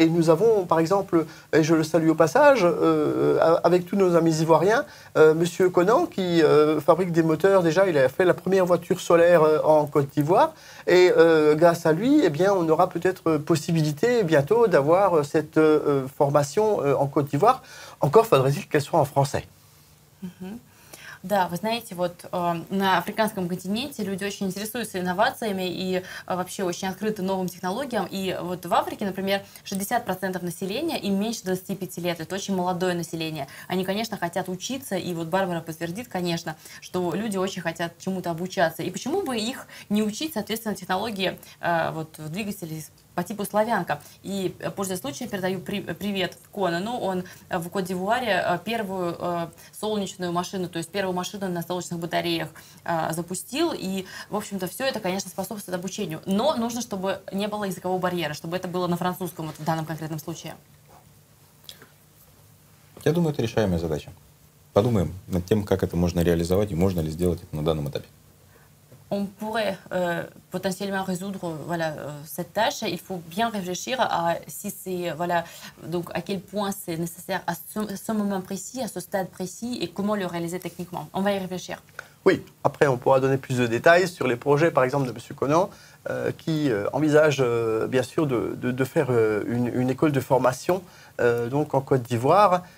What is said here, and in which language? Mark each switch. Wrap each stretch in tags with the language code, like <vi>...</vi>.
<fr>Et nous avons, par exemple, et je le salue au passage, avec tous nos amis ivoiriens, Monsieur Conan, qui fabrique des moteurs, déjà, il a fait la première voiture solaire en Côte d'Ivoire, et grâce à lui, eh bien, on aura peut-être possibilité bientôt d'avoir cette formation en Côte d'Ivoire. Encore faudrait-il qu'elle soit en français. Mm-hmm.</fr> <ru>Да, вы знаете, вот на африканском континенте люди очень интересуются инновациями и вообще очень открыты новым технологиям. И вот в Африке, например, 60% населения им меньше 25 лет. Это очень молодое население. Они, конечно, хотят учиться. И вот Барбара подтвердит, конечно, что люди очень хотят чему-то обучаться. И почему бы их не учить, соответственно, технологии вот, двигателей по типу Славянка. И, пользуясь случаем, передаю привет Конану. Он в Кот-д'Ивуаре первую солнечную машину, то есть первую машину на солнечных батареях запустил. И, в общем-то, все это, конечно, способствует обучению. Но нужно, чтобы не было языкового барьера, чтобы это было на французском вот в данном конкретном случае. Я думаю, это решаемая задача. Подумаем над тем, как это можно реализовать и можно ли сделать это на данном этапе.</ru> <fr>On pourrait potentiellement résoudre voilà cette tâche. Il faut bien réfléchir à si c'est voilà donc à quel point c'est nécessaire à ce moment précis, à ce stade précis et comment le réaliser techniquement. On va y réfléchir. Oui. Après, on pourra donner plus de détails sur les projets, par exemple de M. Conan, qui envisage bien sûr de faire une école de formation donc en Côte d'Ivoire.</fr>